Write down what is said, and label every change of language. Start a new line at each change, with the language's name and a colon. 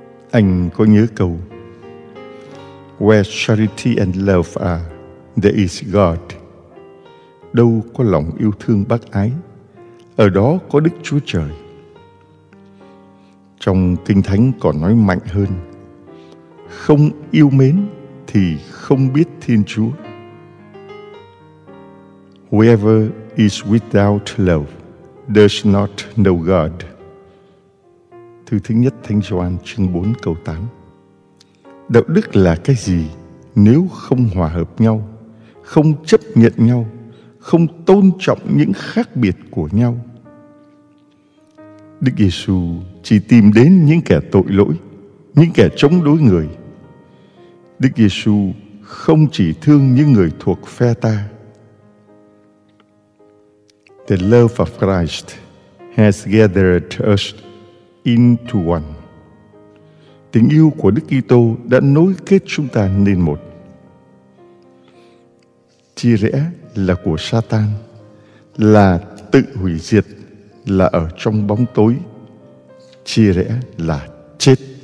Vietnamese: Anh có nhớ câu
English: Where charity and love are, there is God.
Vietnamese: Đâu có lòng yêu thương bác ái, ở đó có Đức Chúa Trời. Trong Kinh Thánh còn nói mạnh hơn, không yêu mến thì không biết Thiên Chúa.
English: Whoever is without love does not know God.
Vietnamese: Thư thứ nhất Thánh Gioan chương 4 câu 8. Đạo đức là cái gì nếu không hòa hợp nhau, không chấp nhận nhau, không tôn trọng những khác biệt của nhau? Đức Giêsu chỉ tìm đến những kẻ tội lỗi, những kẻ chống đối người. Đức Giêsu không chỉ thương những người thuộc phe ta.
English: The love of Christ has gathered us into one.
Vietnamese: Tình yêu của Đức Kitô đã nối kết chúng ta nên một. Chia rẽ là của Satan, là tự hủy diệt, là ở trong bóng tối. Chia rẽ là chết.